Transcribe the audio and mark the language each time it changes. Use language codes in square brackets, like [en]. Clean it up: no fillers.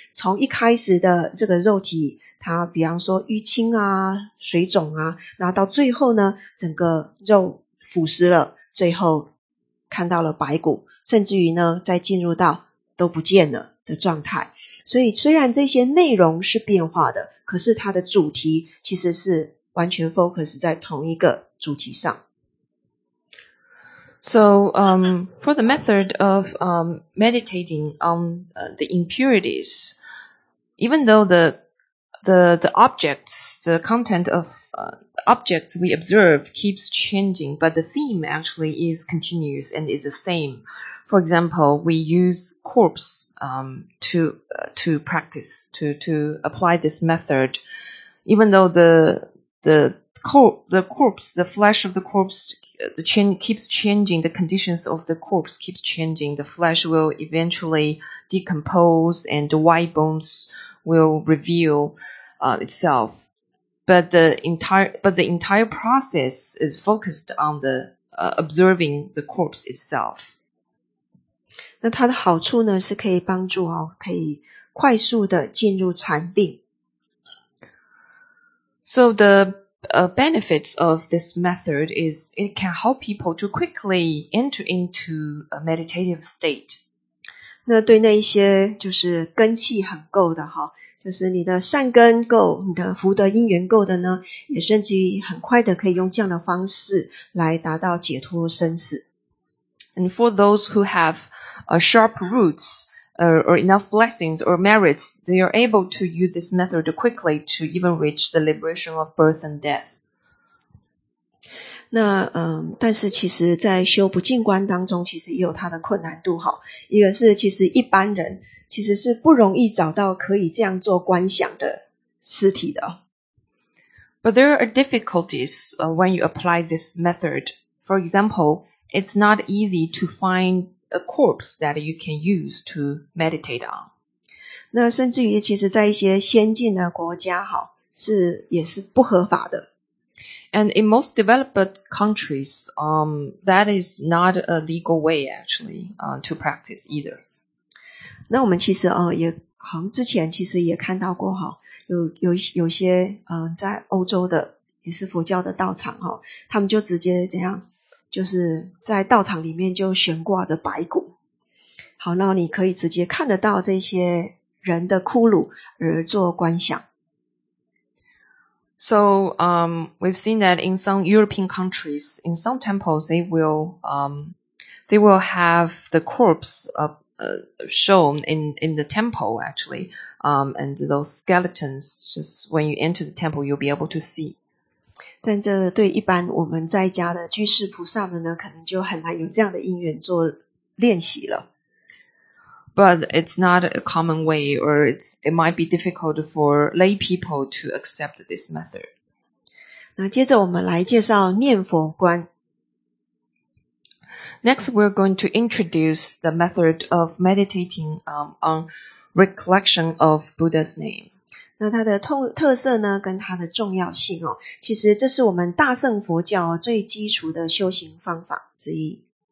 [zh] 从一开始的这个肉体，它比方说淤青啊、水肿啊，然后到最后呢，整个肉腐蚀了，最后看到了白骨，甚至于呢，再进入到都不见了的状态。所以虽然这些内容是变化的，可是它的主题其实是完全 focus 在同一个主题上。 [en] So, for the method of meditating on the impurities, even though the objects, the content of the objects we observe keeps changing, but the theme actually is continuous and is the same. For example, we use corpse to apply this method, even though the corpse, the flesh of the corpse keeps changing, the conditions of the corpse keeps changing, the flesh will eventually decompose and the white bones will reveal itself. But the entire process is focused on the observing the corpse itself. [zh] 那它的好处呢，是可以帮助可以快速的进入禅定。 [en] So the benefits of this method is it can help people to quickly enter into a meditative state. [zh] 那对那一些就是根气很够的哈，就是你的善根够，你的福德因缘够的呢，也甚至于很快的可以用这样的方式来达到解脱生死。 [en] And for those who have sharp roots or enough blessings or merits, they are able to use this method quickly to even reach the liberation of birth and death. [zh] 那但是其实在修不净观当中其实也有它的困难度哈。一个是其实一般人其实是不容易找到可以这样做观想的尸体的。 [en] But there are difficulties when you apply this method. For example, it's not easy to find a corpse that you can use to meditate on. [zh] 那甚至于其实在一些先进的国家好，是也是不合法的。 [en] And in most developed countries, that is not a legal way actually to practice either. [zh] 那我们其实也好像之前其实也看到过哈，有些在欧洲的也是佛教的道场哈，他们就直接怎样，就是在道场里面就悬挂着白骨。好，那你可以直接看得到这些人的骷髅而做观想。 [en] So, we've seen that in some European countries, in some temples, they will have the corpse shown in the temple actually, and those skeletons, just when you enter the temple, you'll be able to see. [zh] 但这对一般我们在家的居士菩萨们呢，可能就很难有这样的因缘做练习了。 [en] But it's not a common way, or it might be difficult for lay people to accept this method. [zh] 那接着我们来介绍念佛观。 [en] Next, we're going to introduce the method of meditating on recollection of Buddha's name. [zh] 那它的特色呢，跟它的重要性哦，其实这是我们大乘佛教最基础的修行方法之一。